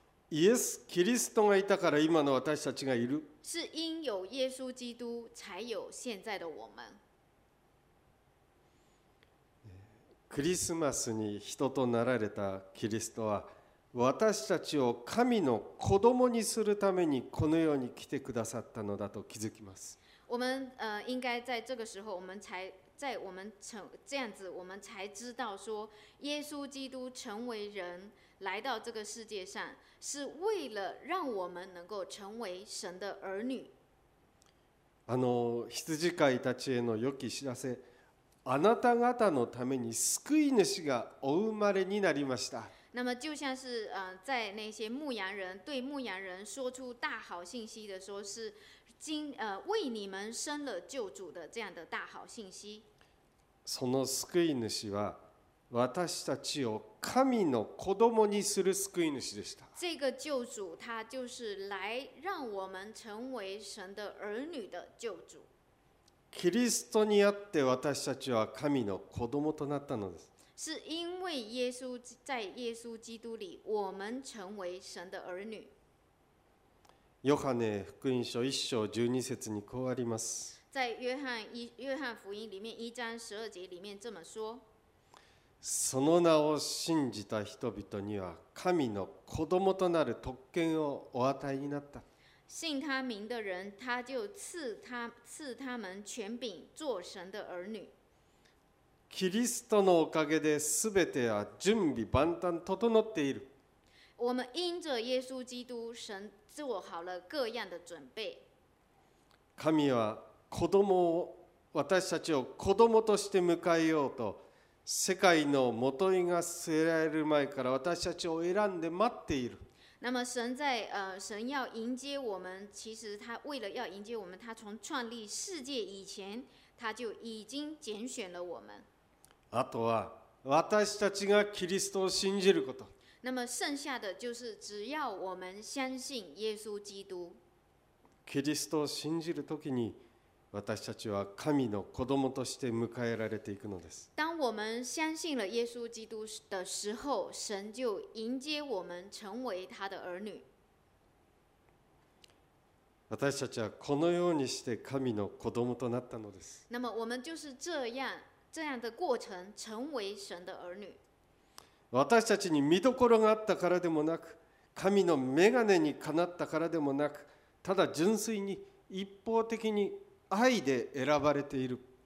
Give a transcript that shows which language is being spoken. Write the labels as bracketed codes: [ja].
[ja] イエス・キリストがいたから今の私たちがいる。 [zh] 是因有耶稣基督才有现在的我们。 [ja] クリスマスに人となられたキリストは私たちを神の子供にするためにこの世に来てくださったのだと気づきます。 [zh] 我们应该在这个时候我们才在我们成这样子我们才知道说耶稣基督成为人来到这个世界上是为了让我们能够成为神的儿女。 [ja] 羊飼いたちへの良き知らせ、あなた方のために救い主がお生まれになりました。 [zh] 那么就像是在那些牧羊人对牧羊人说出大好信息的时候，是为你们生了救主的这样的大好信息。 [ja] その救い主は。私たちを神の子供にする救い主でした。 [zh] 这个救主他就是来让我们成为神的儿女的救主。 [ja] キリストにあって私たちは神の子供となったのです。 [zh] 是因为耶稣在耶稣基督里，我们成为神的儿女。 [ja] ヨハネ福音書一章十二節にこうあります。 [zh] 在约翰福音里面一章十二节里面这么说。 [ja] その名を信じた人々には神の子供となる特権をお与えになった。 [zh] 信他名的人，他就赐他们权柄做神的儿女。 [ja] キリストのおかげで全ては準備万端整っている。 [zh] 我们因着耶稣基督，神做好了各样的准备。 [ja] 神は子供を私たちを子供として迎えようと。世界の元いが据えられる前から私たちを選んで待っている。 [zh] 那么神在神要迎接我们，其实他为了要迎接我们，他从创立世界以前，他就已经拣选了我们。 [ja] あとは私たちがキリストを信じること。 [zh] 那么剩下的就是只要我们相信耶稣基督。 [ja] キリストを信じるときに。私たちは神の子供として迎えられていくのです。 [zh] 当我们相信了耶稣基督的时候，神就迎接我们成为他的儿女。 [ja] 私たちはこのようにして神の子供となったのです。 [zh] 那么我们就是这样的过程成为神的儿女。 [ja] 私たちに見どころがあったからでもなく、神の眼鏡にかなったからでもなく、ただ純粋に一方的に愛で選ばれている。